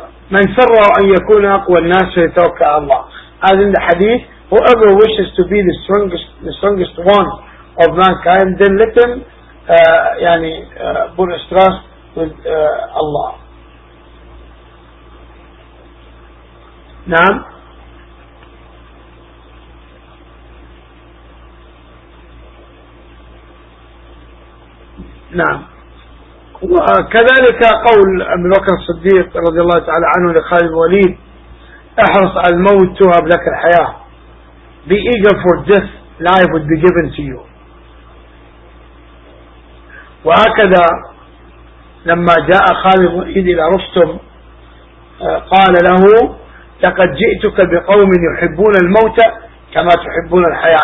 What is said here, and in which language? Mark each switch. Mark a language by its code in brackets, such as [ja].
[ar] من سر أن يكون أقوى الناس فيتوكى الله. هذا الحديث [en] whoever wishes to be the strongest one of mankind then let him [ar] يعني [en] put his trust with Allah. [ar] نعم، نعم. وكذلك قول أبي بكر الصديق رضي الله تعالى عنه لخالد الوليد، احرص على الموت تهب لك الحياة. [en] Be eager for death, life would be given to you. [ar] وهكذا لما جاء خالد الوليد إلى رستم قال له لقد جئتك بقوم يحبون الموت كما تحبون الحياة.